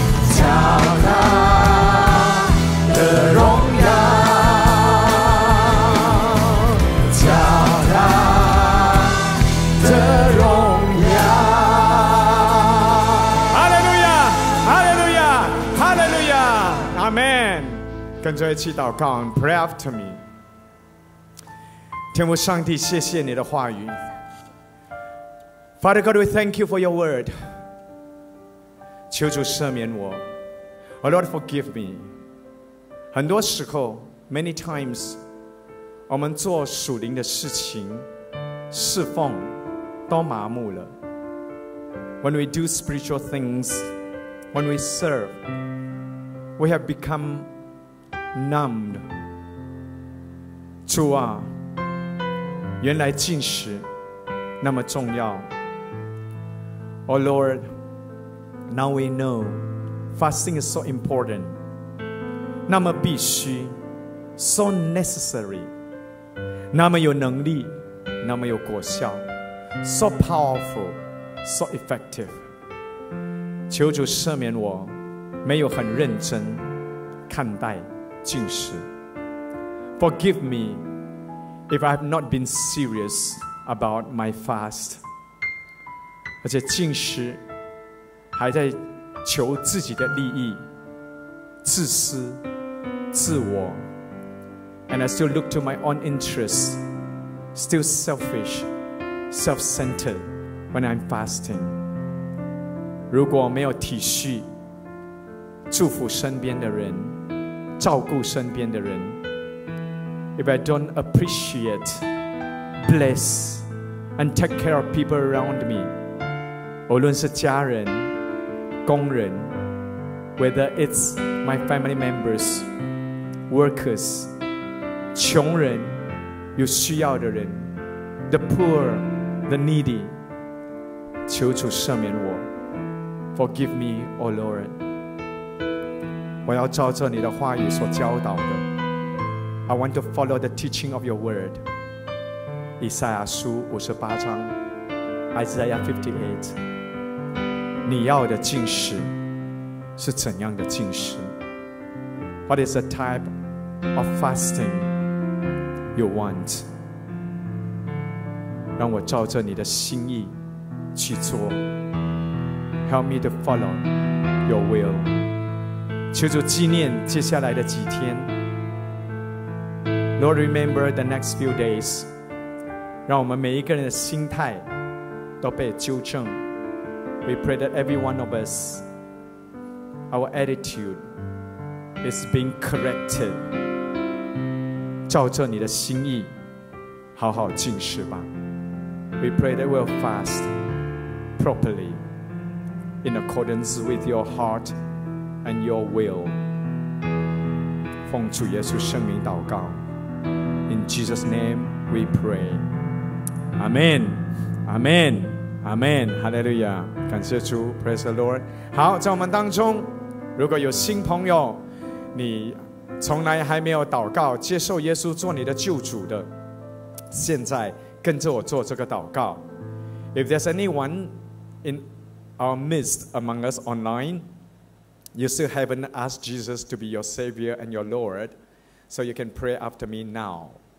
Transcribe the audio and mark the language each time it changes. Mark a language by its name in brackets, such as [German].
[Chinese] 叫他的荣耀，叫他的荣耀。哈利路亚，哈利路亚，哈利路亚，阿门。跟着一起祷告 ， [English] Pray after me。 [Chinese] 天父上帝，谢谢你的话语。 [English] Father God, we thank you for your word. [Chinese] 求主赦免我。 [English] Oh Lord, forgive me. [Chinese] 很多时候 , [English] many times, [Chinese] 我们做属灵的事情侍奉都麻木了。 [English] When we do spiritual things, when we serve, we have become numbed. [Chinese] 主啊，原来禁食那么重要。 [English] Oh Lord, now we know fasting is so important, [Chinese] 那么必须 [English] so necessary, [Chinese] 那么有能力，那么有果效 [English] so powerful, so effective. [Chinese] 求主赦免我没有很认真看待禁食。 [English] Forgive me if I have not been serious about my fast. [Chinese] 而且禁食还在求自己的利益，自私自我。 [English] And I still look to my own interests, still selfish, self-centered when I'm fasting. [Chinese] 如果没有体恤祝福身边的人，照顾身边的人， [English] If I don't appreciate, bless and take care of people around me, [Chinese] 无论是家人、工人 [English] ，whether it's my family members, workers, [Chinese] 穷人、有需要的人 [English] ，the poor, the needy, [Chinese] 求主赦免我 [English] ，forgive me, O Lord. [Chinese] 我要照着你的话语所教导的 [English] ，I want to follow the teaching of your word. [Chinese] 以赛亚书五十八章 ，Isaiah 58. 你要的禁食是怎样的禁食？ [English] What is the type of fasting you want? [Chinese] 让我照着你的心意去做。 [English] Help me to follow your will. [Chinese] 求主纪念接下来的几天。 [English] Lord, remember the next few days. [Chinese] 让我们每一个人的心态都被纠正。 [English] We pray that every one of us, our attitude is being corrected. [Chinese] 照着你的心意，好好进食吧。 [English] We pray that we'll fast properly in accordance with your heart and your will. [Chinese] 奉主耶稣圣名祷告。 [English] In Jesus' name we pray. Amen. Amen. Amen, Hallelujah, [Chinese] 感谢主 [English] Praise the Lord. [Chinese] 好，在我们当中，如果有新朋友，你从来还没有祷告接受耶稣做你的救主的，现在跟着我做这个祷告。 [English] If there's anyone in our midst among us online, you still haven't asked Jesus to be your Savior and your Lord, so you can pray after me now.